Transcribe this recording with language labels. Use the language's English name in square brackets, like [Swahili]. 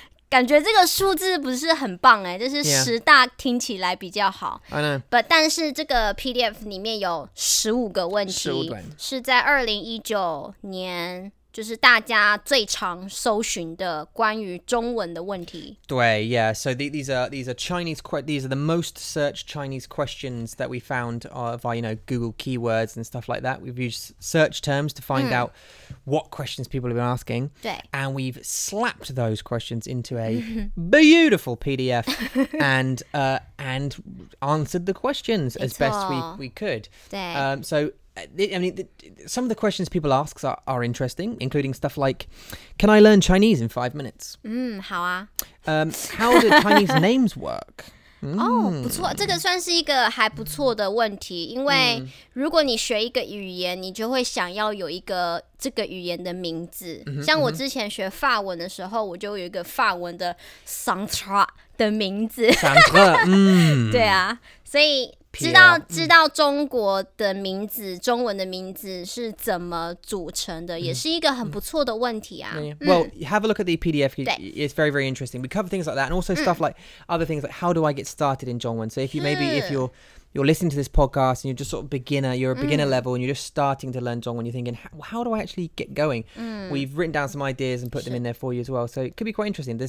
[Chinese] 感觉这个数字不是很棒哎，就是十大听起来比较好。 [English] Yeah. I know. But [Chinese] 但是这个 PDF 里面有十五个问题，是在2019年就是大家最常搜寻的关于中文的问题。对 ， [English] Yeah. So these are Chinese these are the most searched Chinese questions that we found via, you know, Google keywords and stuff like that. We've used search terms to find out what questions people have been asking. [Chinese] 对 [English] And we've slapped those questions into a beautiful PDF and answered the questions as best we could. [Chinese] 对 [English] So. Some of the questions people ask are interesting, including stuff like, can I learn Chinese in 5 minutes? [Chinese] 好啊。 [English] How do Chinese names work? [Chinese] 不错，这个算是一个还不错的问题，因为如果你学一个语言，你就会想要有一个这个语言的名字。像我之前学法文的时候，我就有一个法文的 Sandra 的名字。 [English] Sandra, [Chinese] 对啊，所以知道中国的名字中文的名字是怎么组成的也是一个很不错的问题啊。 [English] Well, have a look at the PDF. It's very, very interesting. We cover things like that and also stuff like other things like how do I get started in 中文? So if you're listening to this podcast and you're just sort of beginner, you're a beginner level and you're just starting to learn 中文, you're thinking, how do I actually get going? We've written down some ideas and put them in there for you as well. So it could be quite interesting.